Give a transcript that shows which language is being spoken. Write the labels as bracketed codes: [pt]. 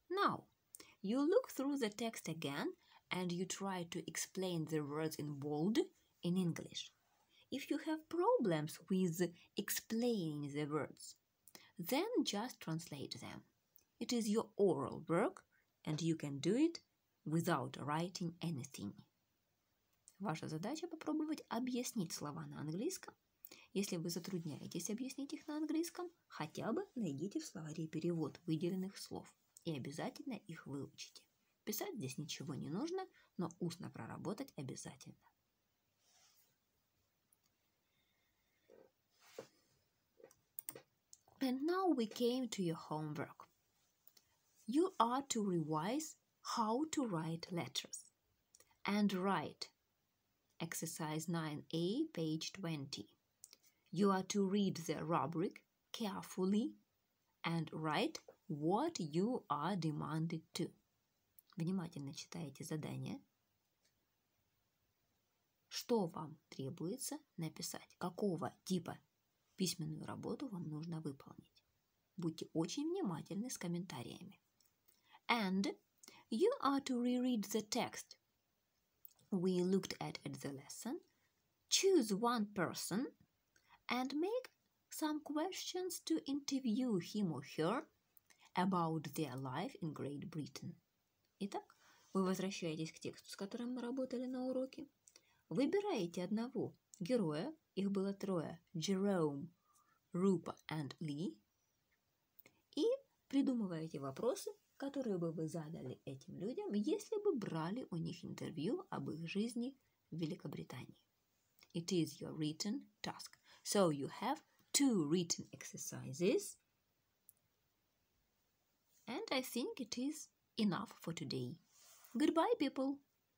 [en] Now, you look through the text again and you try to explain the words in bold in English. If you have problems with explaining the words, then just translate them. It is your oral work and you can do it without writing anything. [ru] Ваша задача – попробовать объяснить слова на английском. Если вы затрудняетесь объяснить их на английском, хотя бы найдите в словаре перевод выделенных слов и обязательно их выучите. Писать здесь ничего не нужно, но устно проработать обязательно. [en] And now we came to your homework. You are to revise how to write letters and write exercise 9A, page 20. You are to read the rubric carefully and write what you are demanded to. [ru] Внимательно читайте задание. Что вам требуется написать? Какого типа письменную работу вам нужно выполнить? Будьте очень внимательны с комментариями. [en] And you are to reread the text we looked at the lesson. Choose one person and make some questions to interview him or her about their life in Great Britain. [ru] Итак, вы возвращаетесь к тексту, с которым мы работали на уроке. Выбираете одного героя, их было трое, Jerome, Rupert and Lee, и придумываете вопросы, которые бы вы задали этим людям, если бы брали у них интервью об их жизни в Великобритании. [en] It is your written task. So you have two written exercises, and I think it is enough for today. Goodbye, people!